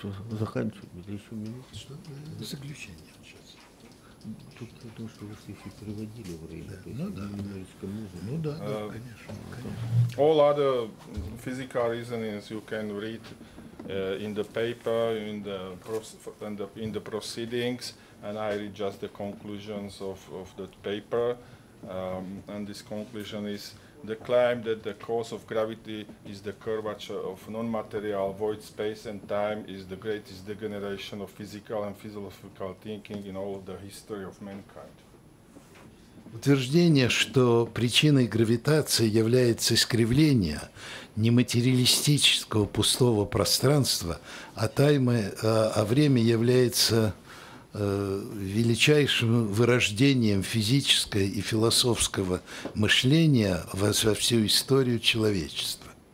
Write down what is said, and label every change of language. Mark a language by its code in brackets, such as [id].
[ru] Заканчивается еще минуту. Что? Заключение сейчас. Тут потому что вы еще переводили время. Да. Ну да. Немножечко нужно. Ну да, да, конечно. [en] All other physical reasonings you can read in the paper, in the proceedings, and I read just the conclusions of that paper. And this conclusion is the claim that the cause of gravity is the curvature of non-material void space and time is the greatest degeneration of physical and philosophical thinking in all of the history of mankind. [ru] Утверждение, что причиной гравитации является искривление нематериалистического пустого пространства, а таймы, а время является величайшим вырождением физического и философского мышления во всю историю человечества.